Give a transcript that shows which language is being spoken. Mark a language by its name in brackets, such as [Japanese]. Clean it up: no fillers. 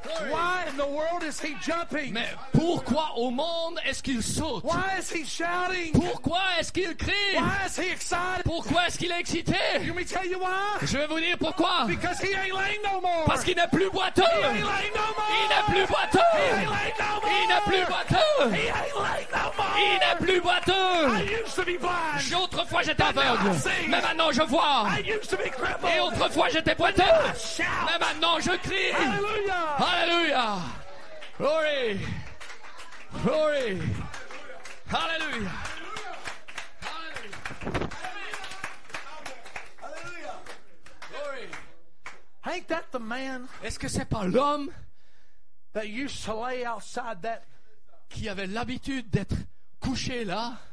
[English] Why in the world is he jumping? [French] Mais pourquoi au monde est-ce qu'il saute? [English] Why is he shouting? [French] Pourquoi est-ce qu'il crie? [English] Why is he excited? [French] Pourquoi est-ce qu'il est excité? [English] You may tell you why? [French] Je vais vous dire pourquoi. [English] Because he ain't lame no more. [French] Parce qu'il n'est plus boiteux. [English] He ain't lame no more. [French] Il n'est plus boiteux. [English] He ain't lame no more. [French] Il n'est plus boiteux. [English] He ain't lame no more. [French] Il n'est plus boiteux. [English] I used to be blind. [French] Autrefois j'étais aveugle. Mais maintenant je vois. [English] I used to be crippled. [French] Et autrefois j'étais boiteux. [English] But now I shout. [French] Mais maintenant je crie. [English] Hallelujah. [French] Alléluia! [English] Glory! Glory! [French] Alléluia! Alléluia! [English] Glory! Ain't that the man? [French] Est-ce que c'est pas l'homme [English] that used to lay outside that [French] qui avait l'habitude d'être couché là?